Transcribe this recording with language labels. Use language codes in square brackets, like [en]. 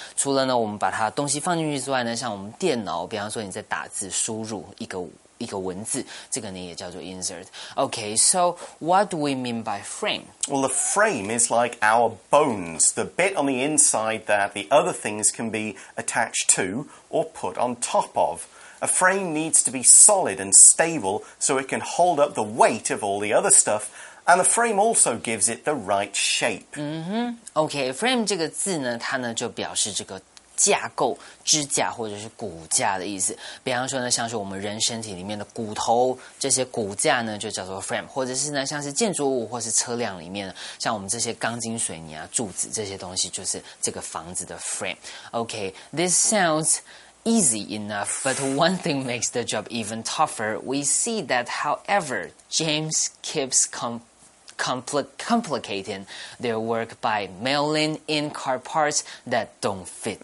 [zh] 除了呢我们把它东西放进去之外呢，像我们电脑，比方说你在打字输入一个文字，这个呢也叫做 insert. [en] Okay, so what do we mean by frame? Well, the frame is like our bones, the bit on the inside that the other things can be attached to or put on top of. A frame needs to be solid and stable so it can hold up the weight of all the other stuff, and the frame also gives it the right shape. [zh] Mm-hmm. Okay, frame 这个字呢，它呢就表示这个架构、支架或者是骨架的意思。比方说呢，像是我们人身体里面的骨头，这些骨架呢就叫做 frame， 或者是呢像是建筑物或是车辆里面，像我们这些钢筋水泥啊、柱子这些东西，就是这个房子的 frame。 [en] Okay, this sounds easy enough, but one thing makes the job even tougher. We see that, however, James keeps complicating their work by mailing in car parts that don't fit.